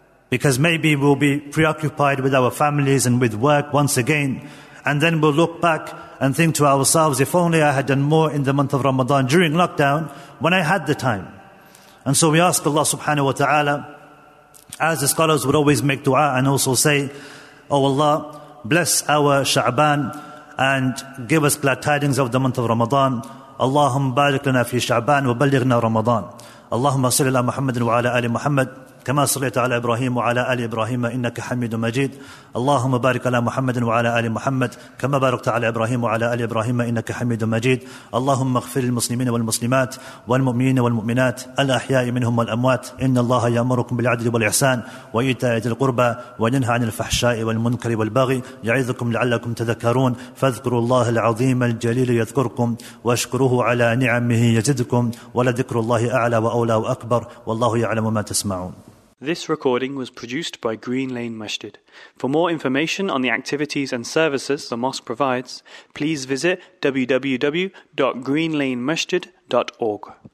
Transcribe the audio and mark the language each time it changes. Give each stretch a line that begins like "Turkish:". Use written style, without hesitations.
English: Because maybe we'll be preoccupied with our families and with work once again, and then we'll look back and think to ourselves, if only I had done more in the month of Ramadan during lockdown when I had the time. And so we ask Allah subhanahu wa ta'ala, as the scholars would always make dua and also say, oh Allah, bless our Sha'ban and give us glad tidings of the month of Ramadan.
Arabic: Allahumma barik lana fi Sha'ban wa ballighna Ramadan. Allahumma salli ala Muhammadin wa ala ali Muhammad كما صليت على إبراهيم وعلى آل إبراهيم إنك حميد مجيد. اللهم بارك على محمد وعلى آل محمد كما باركت على إبراهيم وعلى آل إبراهيم إنك حميد مجيد. اللهم اغفر للمسلمين والمسلمات والمؤمنين والمؤمنات الأحياء منهم والأموات. إن الله يأمركم بالعدل والإحسان وإيتاء ذي القربى وينهى عن الفحشاء والمنكر والبغي يعظكم لعلكم تذكرون. فاذكروا الله العظيم الجليل يذكركم واشكروه على نعمه يزدكم ولذكر الله أعلى وأولى وأكبر والله يعلم ما تسمعون.
English: This recording was produced by Green Lane Masjid. For more information on the activities and services the mosque provides, please visit www.greenlanemasjid.org.